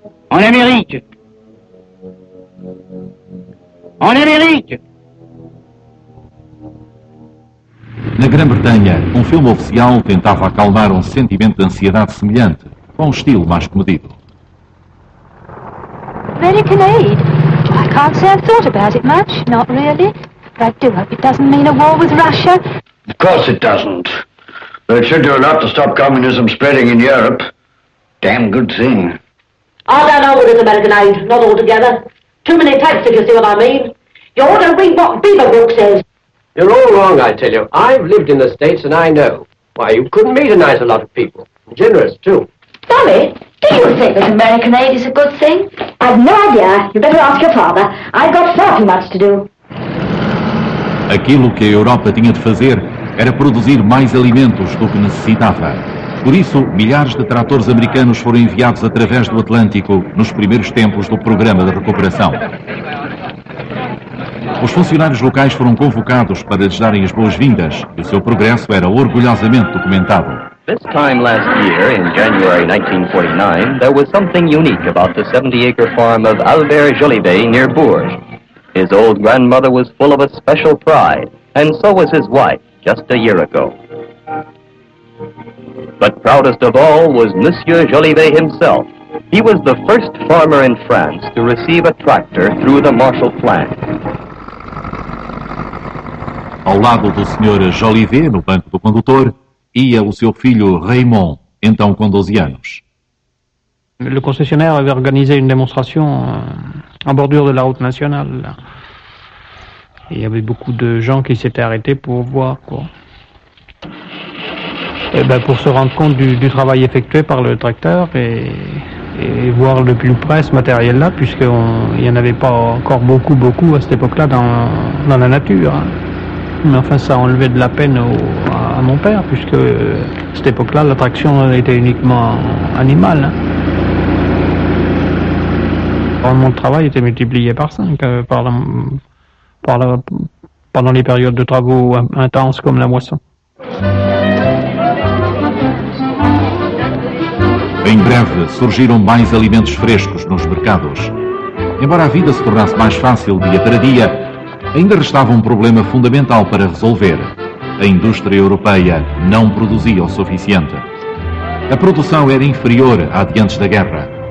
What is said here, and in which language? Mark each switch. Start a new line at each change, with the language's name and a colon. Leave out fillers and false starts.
French: En Amérique. En Amérique.
Portuguese: Na Grã-Bretanha, filme oficial tentava acalmar sentimento de ansiedade semelhante, com estilo mais comedido.
English: American aid? I can't say I've thought about it much, not really. I do hope it doesn't mean a war with Russia. Of course it doesn't. But it should do a lot to stop communism spreading in Europe. Damn good thing. I don't know what is American aid, not altogether. Too many tanks, if you see what I mean. You ought to read what Beaverbrook says. You're all wrong, I tell you. I've lived in the States and I know. Why, you couldn't meet a nice lot of people. Generous, too. Sally, do you think that American aid is a good thing? I've no idea. You'd better ask your father. I've got far too much to do.
Portuguese: Aquilo que a Europa tinha de fazer era produzir mais alimentos do que necessitava. Por isso, milhares de tratores americanos foram enviados através do Atlântico nos primeiros tempos do programa de recuperação. Os funcionários locais foram convocados para lhes darem as boas-vindas e o seu progresso era orgulhosamente documentado.
English: This time last year, in January 1949, there was something unique about the 70-acre farm of Albert Jolivet near Bourges. His old grandmother was full of a special pride, and so was his wife just a year ago. But proudest of all was Monsieur Jolivet himself. He was the first farmer in France to receive a tractor through the Marshall Plan.
Portuguese: Ao lado do Sr. Jolivet, no banco do condutor, ia o seu filho Raymond, então com 12 anos.
French: Le concessionnaire avait organisé une démonstration en bordure de la route nationale. Il y avait beaucoup de gens qui s'étaient arrêtés pour voir, quoi. Et ben pour se rendre compte du travail effectué par le tracteur et voir de plus près ce matériel-là, puisqu'il n'y en avait pas encore beaucoup à cette époque-là dans la nature. Mais enfin, ça enlevait de la peine à mon père, puisque à cette époque-là, la traction était uniquement animale. Alors, mon travail était multiplié par 5 pendant les périodes de travaux intenses comme la moisson.
Portuguese: Em breve, surgiram mais alimentos frescos nos mercados. Embora a vida se tornasse mais fácil dia para dia, ainda restava um problema fundamental para resolver. A indústria europeia não produzia o suficiente. A produção era inferior à de antes da guerra.